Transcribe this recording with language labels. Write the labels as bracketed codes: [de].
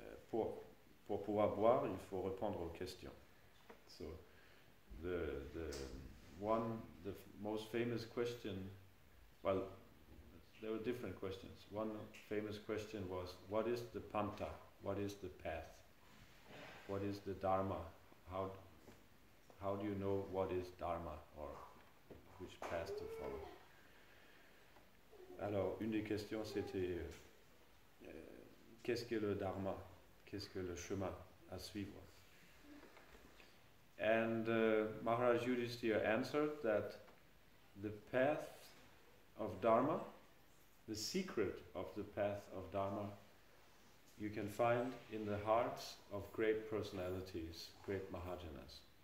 [fr] pour pouvoir boire, il faut répondre aux questions. [en] So, the most famous question, well, there were different questions. One famous question was, what is the panta? What is the path? What is the dharma? How do you know what is dharma or which path to follow? [fr] Alors, une des questions, c'était qu'est-ce que le dharma? Qu'est-ce que le chemin à suivre? [en] And Maharaj Yudhisthira answered that the path of dharma, the secret of the path of dharma, you can find in the hearts of great personalities, great mahajanas.